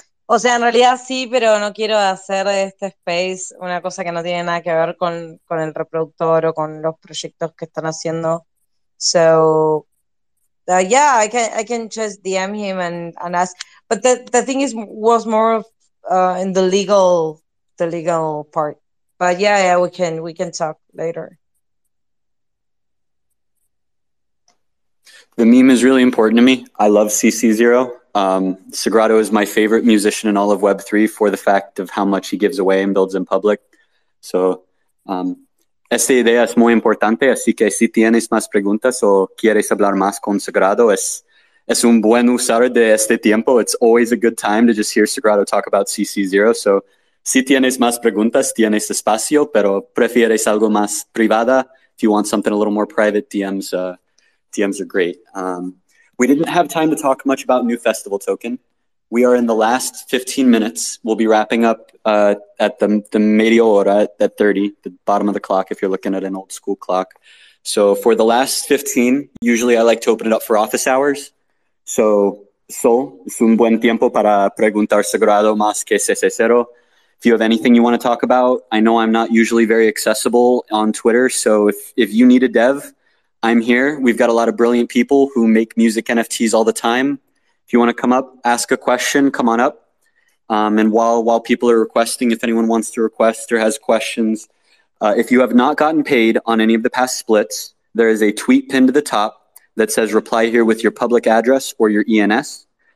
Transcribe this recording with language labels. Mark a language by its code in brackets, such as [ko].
[es] O sea, en realidad sí, pero no quiero hacer de este space una cosa que no tiene nada que ver con el reproductor o con los proyectos que están haciendo. [en] So, yeah, I can just DM him and ask. But the thing is, was more of, in the legal part. But yeah, we can talk later. The meme is really important to me. I love CC0. Sagrado is my favorite musician in all of Web3 for the fact of how much he gives away and builds in public. [es] So, esta idea es muy importante. Así que si tienes más preguntas o quieres hablar más con Sagrado, es un buen usar de este tiempo. [en] It's always a good time to just hear Sagrado talk about CC0. [es] So, si tienes más preguntas, tienes espacio, pero prefieres algo más privada. [en] If you want something a little more private, DMs. DMs are great. We didn't have time to talk much about New Festival Token. We are in the last 15 minutes. We'll be wrapping up at the [es] media hora [en] at 30, the bottom of the clock if you're looking at an old school clock. So for the last 15, usually I like to open it up for office hours. [es] So Sol, es un buen tiempo para preguntar Sagrado más que CC0. [en] If you have anything you want to talk about, I know I'm not usually very accessible on Twitter. So if you need a dev, I'm here. We've got a lot of brilliant people who make music NFTs all the time. If you want to come up, ask a question, come on up. And while people are requesting, if anyone wants to request or has questions, if you have not gotten paid on any of the past splits, there is a tweet pinned to the top that says reply here with your public address or your ENS.